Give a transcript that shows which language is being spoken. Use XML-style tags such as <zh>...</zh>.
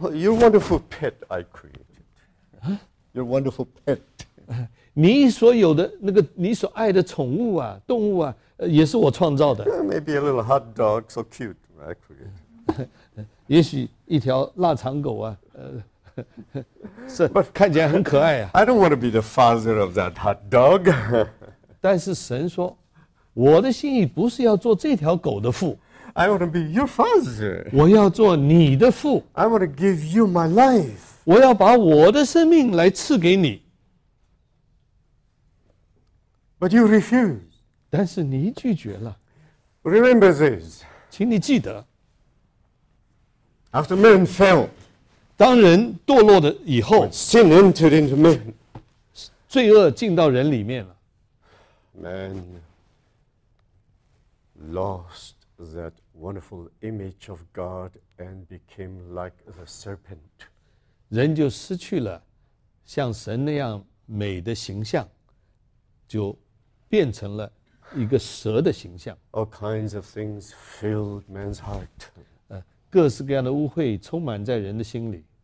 <en>Your wonderful pet I created. Your wonderful pet.</en> <zh>你所有的那个你所爱的宠物啊，动物啊，也是我创造的。</zh> <en>Maybe a little hot dog, so cute, I created.</en> <zh>也许一条腊肠狗啊，是看起来很可爱啊。</zh> <en>I don't want to be the father of that hot dog.</en> <zh>但是神说，我的心意不是要做这条狗的父。</zh> <en>I want to be your father.</en> <zh>我要做你的父。</zh> <en>I want to give you my life.</en> <zh>我要把我的生命来赐给你。</zh> <en>But you refuse.</en> <zh>但是你拒绝了。</zh> <en>Remember this.</en> <zh>请你记得。</zh> <en>After man fell.</en> <zh>当人堕落的以后。</zh> <en>Sin entered into man.</en> <zh>罪恶进到人里面了。</zh> <en>Man lost. That wonderful image of God and became like the serpent.</en> <zh>人就失去了像神那样美的形象，就变成了一个蛇的形象。</zh> <en>All kinds of things filled man's heart.</en> <zh>各式各样的污秽充满在人的心里。</zh>